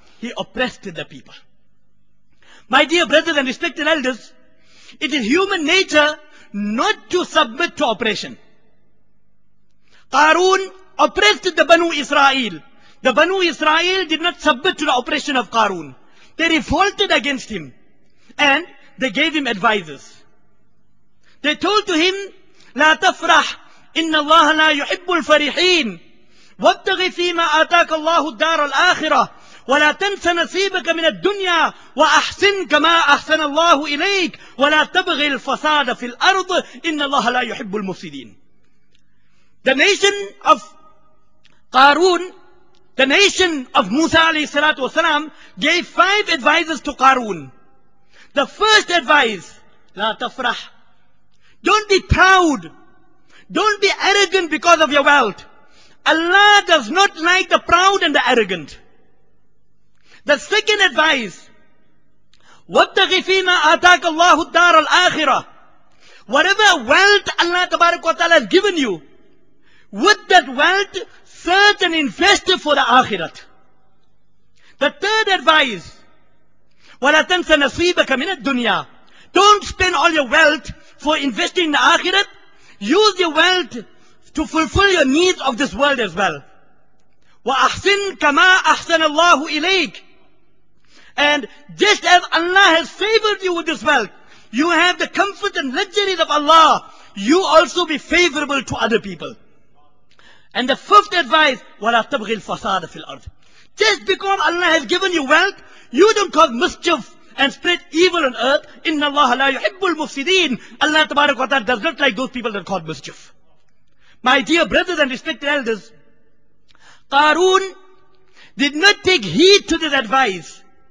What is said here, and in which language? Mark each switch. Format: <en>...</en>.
<en>He oppressed the people. My dear brothers and respected elders, it is human nature not to submit to oppression. Qarun oppressed the Banu Israel. The Banu Israel did not submit to the oppression of Qarun. They revolted against him and they gave him advices. They told to him,</en> <ar>لا تفرح إن الله لا يحب الفريحين وابتغ فيما آتاك الله الدار الآخرة ولا تنس نصيبك من الدنيا وأحسن كما أحسن الله إليك ولا تبغي الفساد في الأرض إن الله لا يحب المفسدين.</ar> <en>The nation of Qarun, the nation of Musa alayhi salatu wasalam, gave five advices to Qarun. The first advice,</en> <ar>لا تفرح.</ar> <en>Don't be proud. Don't be arrogant because of your wealth. Allah does not like the proud and the arrogant. The second advice,</en> <ar>وَابْتَغِ فِيمَا آتَاكَ اللَّهُ الدَّارَ الْآخِرَةِ.</ar> <en>Whatever wealth Allah tabarak wa ta'ala has given you, with that wealth, search and invest for the akhirat. The third advice,</en> <ar>وَلَا تَنْسَ نَصِيبَكَ مِنَ الدُّنْيَا.</ar> <en>Don't spend all your wealth for investing in the akhirat. Use your wealth to fulfill your needs of this world as well.</en> <ar>وَأَحْسِنْ كَمَا أَحْسَنَ اللَّهُ إِلَيْكَ.</ar> <en>And just as Allah has favored you with this wealth, you have the comfort and luxuries of Allah, you also be favorable to other people. And the fifth advice,</en> <ar>وَلَا تَبْغِي الْفَسَادَ فِي الْأَرْضِ.</ar> <en>Just because Allah has given you wealth, you don't cause mischief and spread evil on earth.</en> <ar>إِنَّ اللَّهَ لَا يُحِبُّ الْمُفْسِدِينَ.</ar> <en>Allah tabaraka wa ta'ala does not like those people that cause mischief. My dear brothers and respected elders, Qarun did not take heed to this advice.</en>